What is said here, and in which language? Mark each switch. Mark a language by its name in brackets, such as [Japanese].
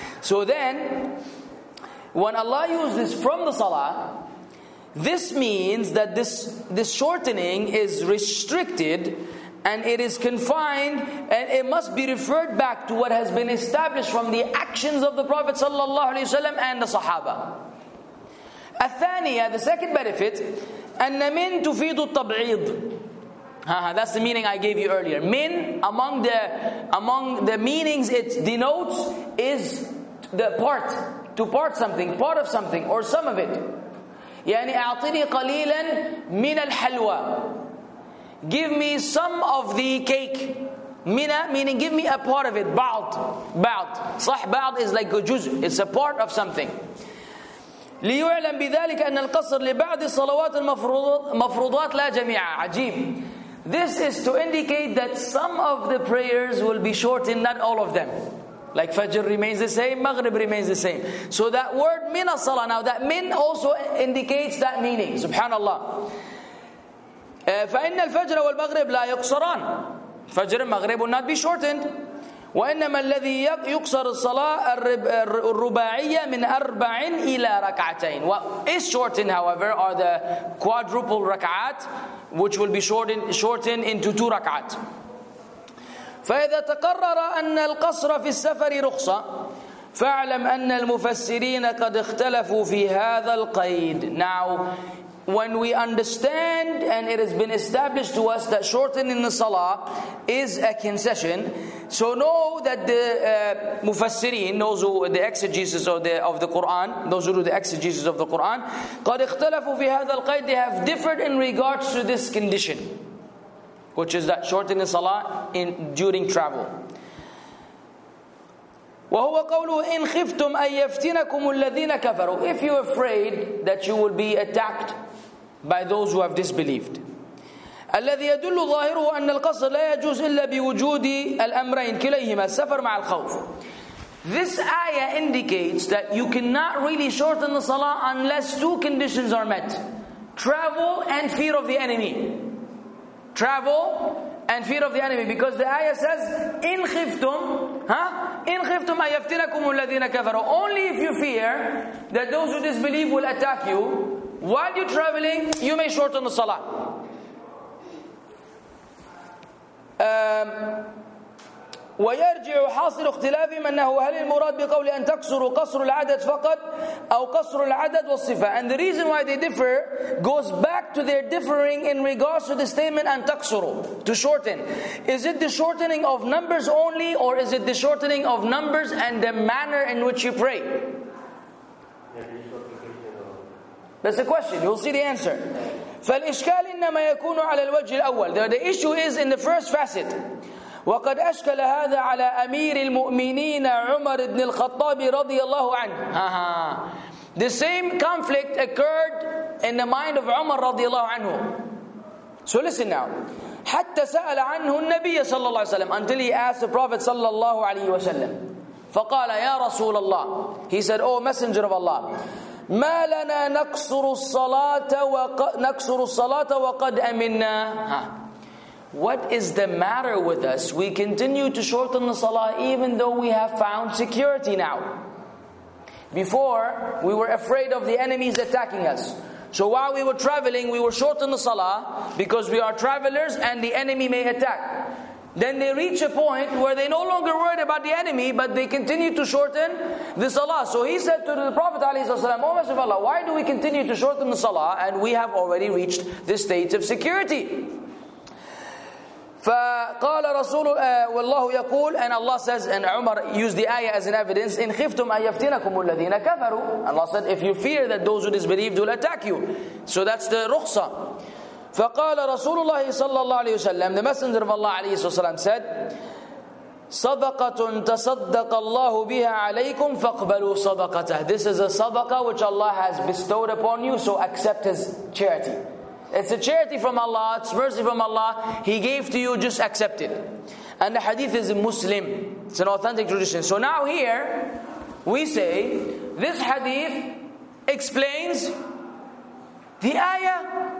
[English] So then, when Allah uses this from the salah, this means that this shortening is restricted and it is confined and it must be referred back to what has been established from the actions of the Prophet sallallahu alaihi wasallam and the Sahaba. [Arabic] الثانية, [English] the second benefit, [Arabic] أن من تفيد التبعيد. [English] That's the meaning I gave you earlier. Min, among the meanings it denotes is the part, to part something, part of something, or some of it. [Arabic] يعني أعطني قليلا من الحلوى. [English] Give me some of the cake. Mina meaning give me a part of it. Ba'd. Ba'd. Sah ba'd is like a juz. It's a part of something. [Arabic] ليعلم بذلك أن القصر لبعض الصلوات المفروضات لا جميعا. عجيب. [English] This is to indicate that some of the prayers will be shortened, not all of them. Like Fajr remains the same, Maghrib remains the same. So that word mina salah, now that min also indicates that meaning. Subhanallah. [Arabic] فإن الفجر والمغرب لا يقصران. فجر المغرب [English] will not be shortened. [Arabic] وإنما الذي يقصر الصلاة الرباعية من أربع إلى ركعتين. [English] What is shortened, however, are the quadruple ركعات, which will be shortened into two ركعات. [Arabic] فإذا تقرر أن القصر في السفر رخصة فاعلم أن المفسرين قد اختلفوا في هذا القيد. [English] Now, when we understand and it has been established to us that shortening the salah is a concession, so know that the mufassirin, those who the exegesis of the Quran, those who do the exegesis of the Quran, [Arabic] قَدْ اخْتَلَفُوا فِي هَذَا الْقَيْدِ, [English] they have differed in regards to this condition, which is that shortening the salah in during travel. [Arabic] وهو قوله إن خفتم أن يفتنكم الذين كفروا. [English] If you're afraid that you will be attacked by those who have disbelieved. [Arabic] الذي يدل ظاهره أن القصر لا يجوز إلا بوجود الأمرين كليهما السفر مع الخوف. [English] This ayah indicates that you cannot really shorten the salah unless two conditions are met: travel and fear of the enemy. Travel and fear of the enemy, because the ayah says [Arabic] إن خفتم, [English] huh? [Arabic] إن خفتم أن يفتنكم الذين كفروا. [English] Only if you fear that those who disbelieve will attack you while you're traveling, you may shorten the salah. [Arabic] ويرجع حاصل اختلافهم أنه هل المراد بقول أن تكسر قصر العدد فقط أو قصر العدد والصفة. [English] And the reason why they differ goes back to their differing in regards to the statement [Arabic] أن تكسر, [English] to shorten. Is it the shortening of numbers only, or is it the shortening of numbers and the manner in which you pray? That's the question. You'll see the answer. [Arabic] فالإشكال إنما يكون على الوجه الأول. [English] The issue is in the first facet. [Arabic] وقد أشكل هذا على أمير المؤمنين عمر بن الخطاب رضي الله عنه. [English] The same conflict occurred in the mind of عمر رضي الله عنه. So listen now. [Arabic] حتى سأل عنه النبي صلى الله عليه وسلم. [English] Until he asked the Prophet صلى الله عليه وسلم. [Arabic] فقال يا رسول الله. [English] He said, oh messenger of Allah, [Arabic] ما لنا نقصر الصلاة نقصر الصلاة وقد أمنا. [English] What is the matter with us? We continue to shorten the salah even though we have found security now. Before, we were afraid of the enemies attacking us. So while we were traveling, we were shorten the salah because we are travelers and the enemy may attack. Then they reach a point where they no longer worried about the enemy, but they continue to shorten the salah. So he said to the Prophet ﷺ, O Messenger of Allah, why do we continue to shorten the salah and we have already reached this state of security? [Arabic] فقال رسول والله يقول, [English] and Allah says, and Umar used the ayah as an evidence, [Arabic] إن خفتم أن يفتنكم الذين كفروا. [English] Allah said, if you fear that those who disbelieved will attack you. So that's the rukhsa. [Arabic] فقال رسول الله صلى الله عليه وسلم, [English] the messenger of Allah [Arabic] عليه الصلاة والسلام [English] said, [Arabic] صَدَقَةٌ تَصَدَّقَ اللَّهُ بِهَا عَلَيْكُمْ فَاقْبَلُوا صَدَقَتَهُ. [English] This is a sadaqah which Allah has bestowed upon you, so accept His charity. It's a charity from Allah, it's mercy from Allah. He gave to you, just accept it. And the hadith is in Muslim. It's an authentic tradition. So now here, we say, this hadith explains the ayah.